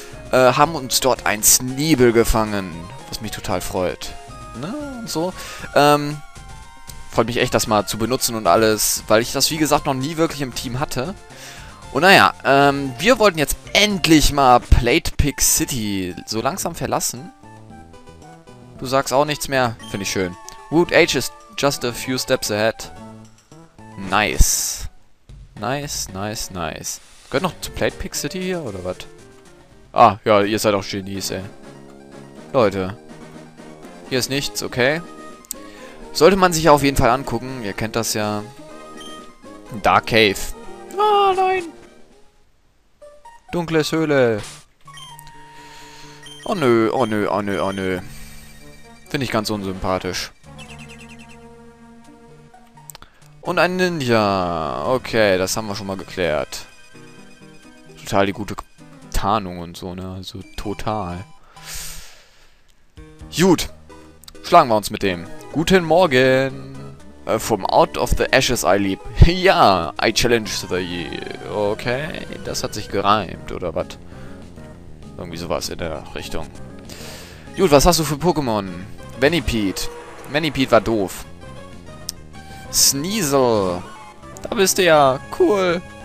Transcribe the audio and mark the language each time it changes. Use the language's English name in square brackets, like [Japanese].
[German] Haben uns dort ein Sneebel gefangen, was mich total freut. Ne? Und so. Freut mich echt, das mal zu benutzen und alles, weil ich das, wie gesagt, noch nie wirklich im Team hatte. Und naja, wir wollten jetzt endlich mal Plate Pick City so langsam verlassen. Du sagst auch nichts mehr. Finde ich schön. [English] Woot Age is just a few steps ahead. [German] Nice. Nice, nice, nice. Gehört noch zu Plate Pick City hier, oder was? Ah, ja, ihr seid auch Genies, ey. Leute. Hier ist nichts, okay. Sollte man sich auf jeden Fall angucken. Ihr kennt das ja. Dark Cave. Ah, nein. Dunkles Höhle. Oh nö, oh nö, oh nö, oh nö. Finde ich ganz unsympathisch. Und ein Ninja. Okay, das haben wir schon mal geklärt. Total die gute Tarnung und so, ne? Also total. Gut. Schlagen wir uns mit dem. Guten Morgen. [English] From out of the ashes I leap. Ja, I challenge the ye. [German] Okay, das hat sich gereimt, oder was? Irgendwie sowas in der Richtung. Gut, was hast du für Pokémon? Venipede. Venipede war doof. Sneasel. Da bist du ja. Cool.